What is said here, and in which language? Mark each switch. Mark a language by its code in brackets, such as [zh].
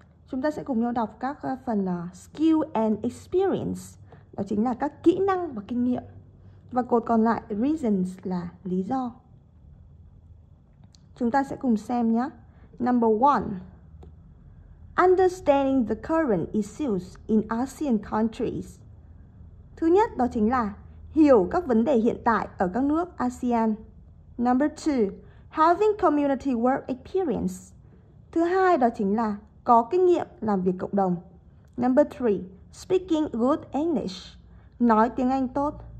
[vi] Chúng ta sẽ cùng nhau đọc các phần skill and experience, đó chính là các kỹ năng và kinh nghiệm, và cột còn lại reasons là lý do. Chúng ta sẽ cùng xem nhá. [en] Number 1, understanding the current issues in ASEAN countries. [vi] Thứ nhất đó chính là hiểu các vấn đề hiện tại ở các nước ASEAN. [en] Number 2, having community work experience. [vi] Thứ hai đó chính là có kinh nghiệm làm việc cộng đồng. [en] Number 3, speaking good English. [vi] Nói tiếng Anh tốt.